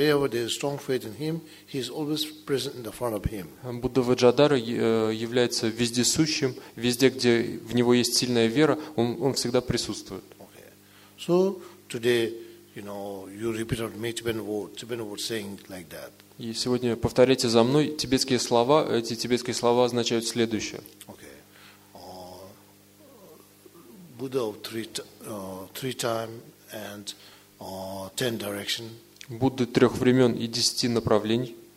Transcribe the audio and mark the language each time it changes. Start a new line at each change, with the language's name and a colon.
English: Wherever there is strong faith in him, he is always present in the front of him.
Russian: Будда Ваджадара является вездесущим, везде, где в него есть сильная вера, он всегда присутствует.
English: Okay. So, today, you know, you repeat after me Tibetan word saying like that.
Russian: И сегодня повторяйте за мной тибетские слова. Эти тибетские слова означают следующее.
English: Okay. Buddha of three time and 10 direction.
Russian: Будда трех времен и 10 направлений.